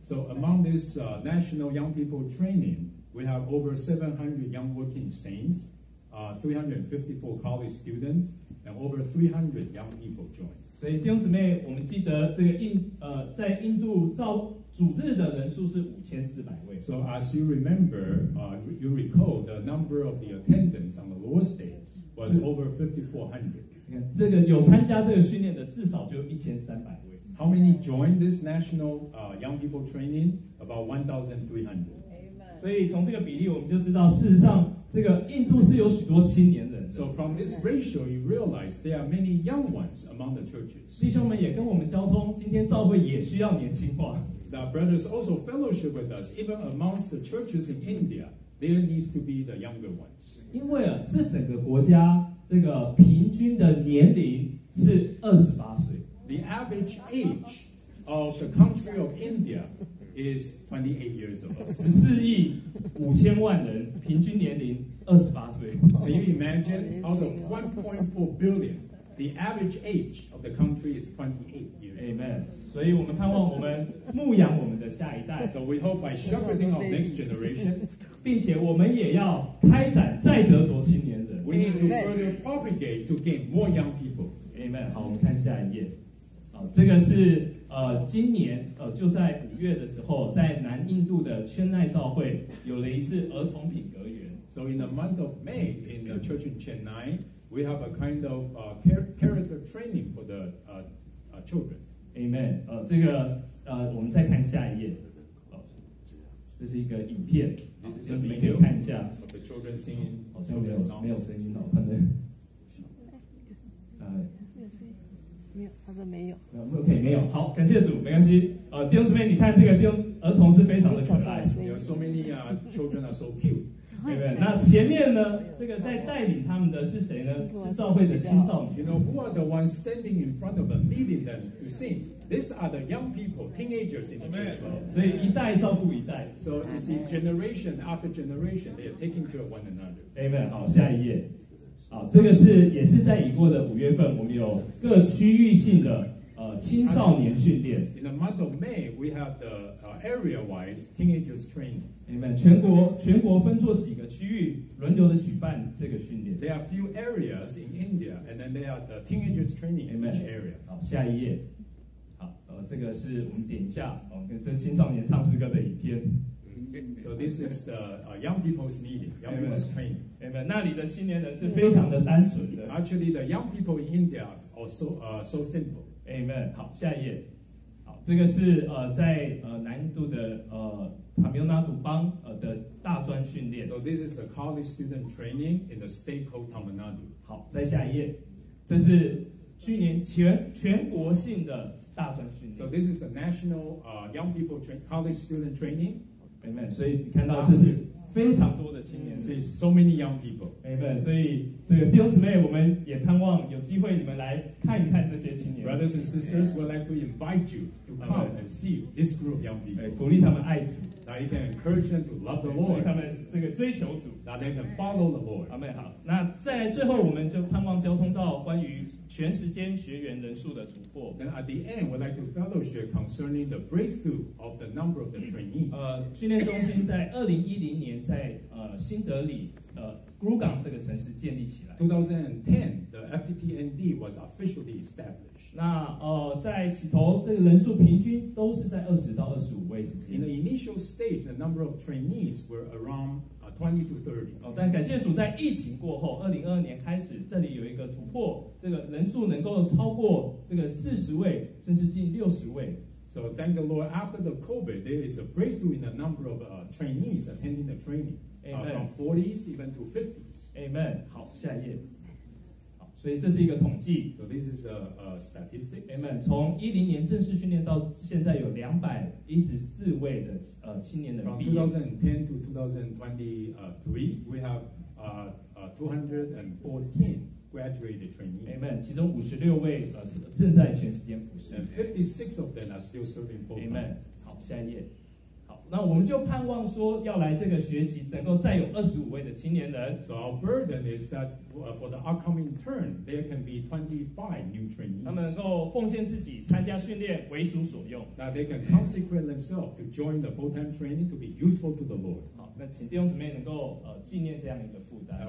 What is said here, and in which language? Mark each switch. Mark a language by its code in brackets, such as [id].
[en] So among this national young people training, we have over 700 young working saints, 354 college students, and over 300 young people joined. [zh] 所以弟兄姊妹，我们记得这个在印度照主日的人数是5400位。 [en] So as you remember, you recall the number of the attendants on the Lord's Day was over 5400. [zh] 这个有参加这个训练的至少就1300位。 [en] How many joined this national young people training? About 1300. Amen. [zh] 所以从这个比例我们就知道事实上这个印度是有许多青年人的。 [en] So from this ratio, you realize there are many young ones among the churches. [zh] 弟兄们也跟我们交通，今天教会也需要年轻化。 [en] The brothers also fellowship with us, even amongst the churches in India, there needs to be the younger ones. [zh] 因为啊，这整个国家这个平均的年龄是28岁。 [en] The average age of the country of India. Is 28 years old. [zh] 14,500,000 平均年龄28岁. [en] Can you imagine out of 1.4 billion, the average age of the country is 28 years old. Amen. [zh] 所以我们盼望我们牧养我们的下一代。 [en] So we hope by shepherding our next generation, [zh] 并且我们也要开展再得着青年人。 [en] We need to further propagate to gain more young people. [zh] Amen. 好，我们看下一页。这个是今年就在五月的时候，在南印度的千奈教会有了一次儿童品格园。 [en] So in the month of May in the church in Chennai, we have a kind of character training for the children. [zh] Amen. 这个我们再看下一页。这是一个影片，这你们可以看一下。 [en] Of the children singing, [zh] 好像没有声音了，可能。他说没有。 OK， 没有。好，感谢主，没关系。弟兄姊妹，你看这个儿童是非常的可爱。有 [en] so many children are so cute， [zh] 对不对？那前面呢，这个在带领他们的是谁呢？是教会的青少年。 [en] You know who are the ones standing in front of them, leading them to sing? These are the young people, teenagers in the church. [zh] 所以一代照顾一代。 [en] So you see, generation after generation, they are taking care of one another. [zh] Amen。 好，下一页。好，这个是也是在已过的五月份，我们有各区域性的青少年训练。 [en] In the month of May, we have the area-wise teenagers training. Amen. [zh] 全国分作几个区域，轮流的举办这个训练。 [en] There are few areas in India, and then there are the teenagers training in each area. [zh] 好，下一页。好，这个是我们点一下哦，跟这青少年唱诗歌的影片。 [en] So this is the young people's meeting, young people's training. Amen. [zh] 那里的青年人是非常的单纯的。 [en] Actually, the young people in India are so simple. [zh] Amen. 好，下一页。好，这个是在南印度的Tamil Nadu 邦的大专训练。 [en] So this is the college student training in the state called Tamil Nadu. [zh] 好，再下一页。这是去年全国性的大专训练。 [en] So this is the national young people college student training. Amen. [zh] 所以你看到这是非常多的青年人， [en] so many young people. Amen. [zh] 所以这个弟兄姊妹，我们也盼望有机会你们来看一看这些青年人。 [en] Brothers and sisters, we'd like to invite you to come and see this group of young people. [zh] 鼓励他们爱主。 [en] That you can encourage them to love the Lord. [zh] 他们这个追求主。 [en] That they can follow the Lord. Amen. [zh] 好，那在最后，我们就盼望交通到关于全时间学员人数的突破。 [en] Then at the end, we'd like to fellowship concerning the breakthrough of the number of the trainees. [zh] 训练中心在2010年在新德里Gurugram 这个城市建立起来。 [en] 2010, the FTPND was officially established. [zh] 那在起头，这个人数平均都是在20到25位之间。 [en] In the initial stage, the number of trainees were around 20 to 30. [zh] 但感谢主，在疫情过后，2022年开始，这里有一个突破，这个人数能够超过这个40位，甚至近60位。 [en] So thank the Lord, after the COVID, there is a breakthrough in the number of trainees attending the training. Amen. From 40s even to 50s. [zh] Amen. 好，下一页。好，所以这是一个统计。 [en] So this is a statistic. Amen. [zh] 从2010年正式训练到现在，有214位的青年人毕业。 [en] From 2010 to 2023, we have 214 graduated trainees. Amen. [zh] 其中56位正在全时间服侍。 [en] And 56 of them are still serving full time. [zh] Amen. 好，下一页。那我们就盼望说要来这个学习能够再有25位的青年人。 [en] So our burden is that for the upcoming term there can be 25 new trainees. [zh] 他们能够奉献自己参加训练为主所用。 [en] That they can consecrate themselves to join the full-time training to be useful to the Lord. [zh] 好，那请弟兄姊妹能够纪念这样一个负担。